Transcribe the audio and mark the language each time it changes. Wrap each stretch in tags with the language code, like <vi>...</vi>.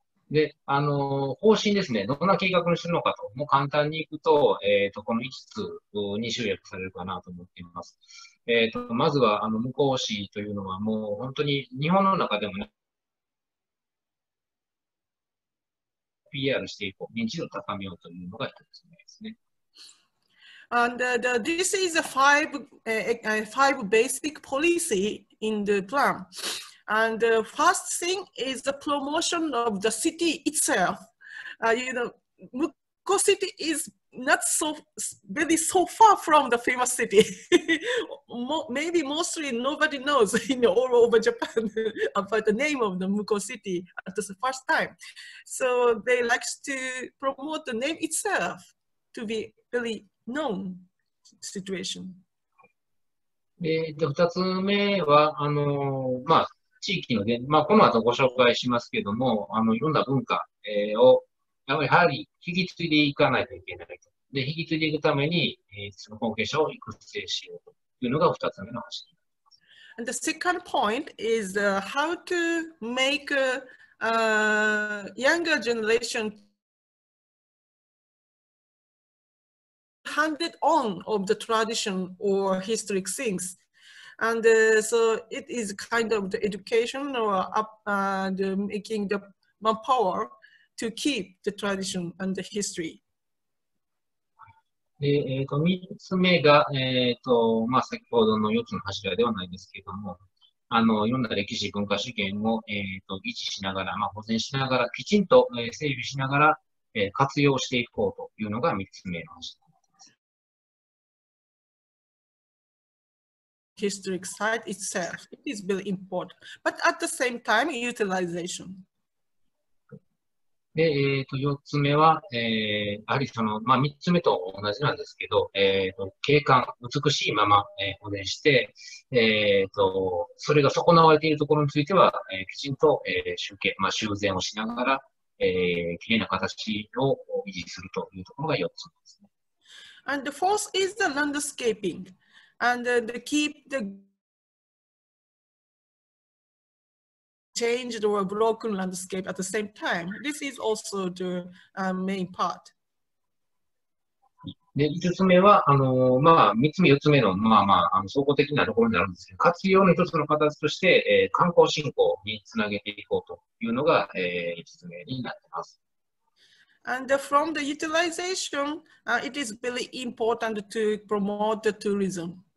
<ja>で、方針ですね。どんな計画にするのかと、もう簡単にいくと、この5つに集約されるかなと思っています。まずは、無効市というのは、もう本当に日本の中でもね、PR していこう、認知度を高めようというのが一つ目ですね。</ja> <en>And this is a five basic policy in the plan. And the first thing is the promotion of the city itself. Mukko City is not so very so far from the famous city. maybe mostly nobody knows all over Japan about the name of the Mukko City at the first time. So they like to promote the name itself to be really known situation.</en> <ja>で、2つ目は、地域のね、まあ、この後ご紹介しますけども、いろんな文化、を、やはり引き継いでいかないといけないと。で、引き継いでいくために、その後継者を育成しようというのが二つ目の話。</ja> <en>And the second point is, how to make, younger generation handed on of the tradition or historic things. And so it is kind of the education or up and making the manpower to keep the tradition and the history.</en> <ja>で、3つ目が、まあ、先ほどの4つの柱ではないですけれども、いろんな歴史、文化資源を、維持しながら、まあ、保全しながら、きちんと、整備しながら、活用していこうというのが3つ目の柱。</ja> <en>Historic site itself. It is very important. But at the same time, utilization.</en> <ja>で、4つ目は、やはりその、まあ、3つ目と同じなんですけど、景観、美しいまま、保全して、それが損なわれているところについては、きちんと、修繕をしながら、きれいな形を維持するというところが4つ目ですね。</ja> <en>And the fourth is the landscaping. And to keep the changed or broken landscape at the same time. This is also the main part.</en> <ja>で、5つ目は、まあ、3つ目、4つ目の、まあまあ、総合的なところになるんですけど、活用の一つの形として、観光振興につなげていこうというのが、5つ目になっています。</ja> <en>And from the utilization, it is really important to promote the tourism.</en>